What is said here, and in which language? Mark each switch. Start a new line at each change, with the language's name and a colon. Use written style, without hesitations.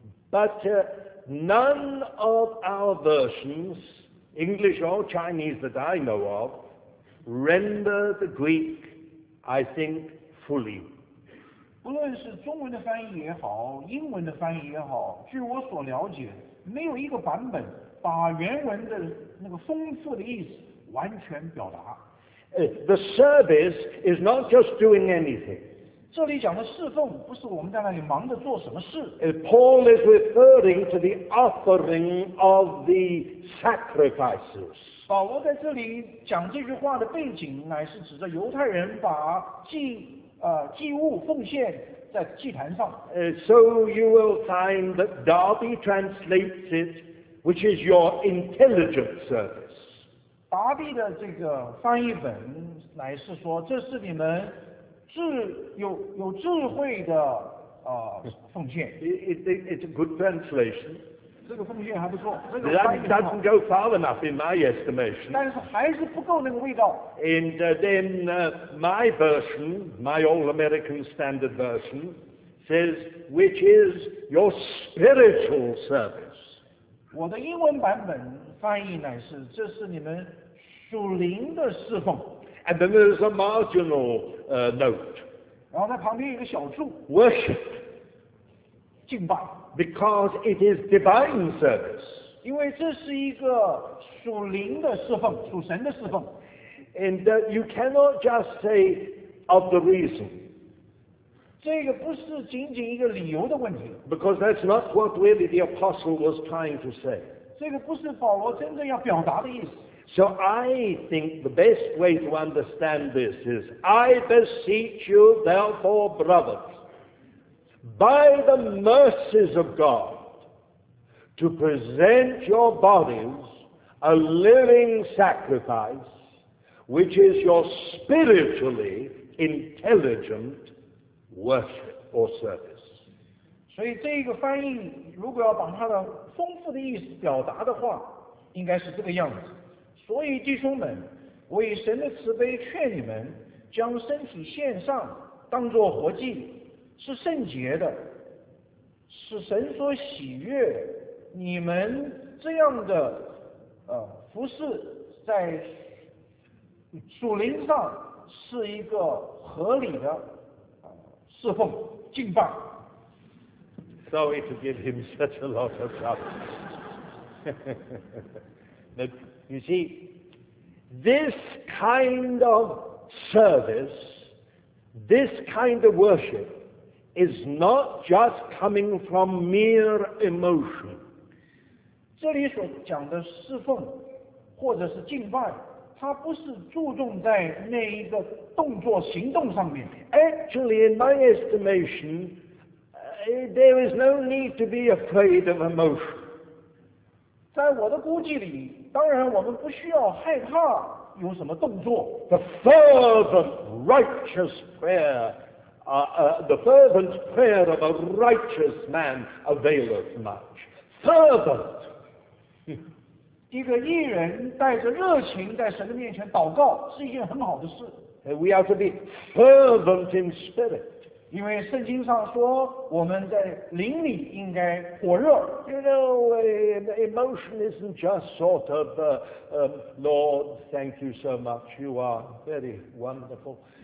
English: But none of our versions, English or Chinese that I know of, render the Greek, I think, fully.
Chinese: 不论是中文的翻译也好，英文的翻译也好，据我所了解，没有一个版本把原文的那个丰富的意思完全表达。
English: The service is not just doing anything.
Chinese: 这里讲的侍奉不是我们在那里忙着做什么事。
English: Paul is referring to the offering of the sacrifices.
Chinese: 保罗在这里讲这句话的背景乃是指着犹太人把祭物奉献在祭坛上。
English: So you will find that Darby translates it, which is your intelligent service.
Chinese: 达比的这个翻译本乃是说这是你们有智慧的奉献。
English: It's a good translation.
Chinese: 这个奉献还不错。
English: That doesn't go far enough in my estimation.
Chinese: 但是还是不够那个味道。
English: And then my version, my old American standard version, says which is your spiritual service.
Chinese: 我的英文版本翻译乃是这是你们属灵的侍奉。
English: And then there's a marginal note.
Chinese: 然后在旁边有一个小注。
English: Worship.
Chinese: 敬拜。
English: Because it is divine service.
Chinese: 因为这是一个属灵的侍奉，属神的侍奉。
English: And that you cannot just say of the reason.
Chinese: 这个不是仅仅一个理由的问题。
English: Because that's not what really the apostle was trying to say.
Chinese: 这个不是保罗真正要表达的意思。
English: So I think the best way to understand this is, I beseech you, therefore, brothers, by the mercies of God, to present your bodies a living sacrifice, which is your spiritually intelligent worship or service.
Chinese: 所以这个翻译如果要把它的丰富的意思表达的话，应该是这个样子。所以弟兄们，我以神的慈悲劝你们，将身体献上，当作活祭，是圣洁的，是神所喜悦。你们这样的服事在属灵上是一个合理的侍奉敬拜。
English: Sorry to give him such a lot of trouble. You see, this kind of service, this kind of worship, is not just coming from mere emotion.
Chinese: 这里所讲的侍奉或者是敬拜，它不是注重在那一个动作行动上面。
English: Actually, in my estimation, there is no need to be afraid of emotion.
Chinese: 在我的估计里，当然我们不需要害怕有什么动作。
English: The fervent righteous prayer, the fervent prayer of a righteous man availeth much. Fervent.
Chinese: 一个义人带着热情在神的面前祷告是一件很好的事。
English: We are to be fervent in spirit.
Chinese: 因为圣经上说我们在灵里应该火热。
English: You know, emotion isn't just sort of, Lord, thank you so much, you are very wonderful.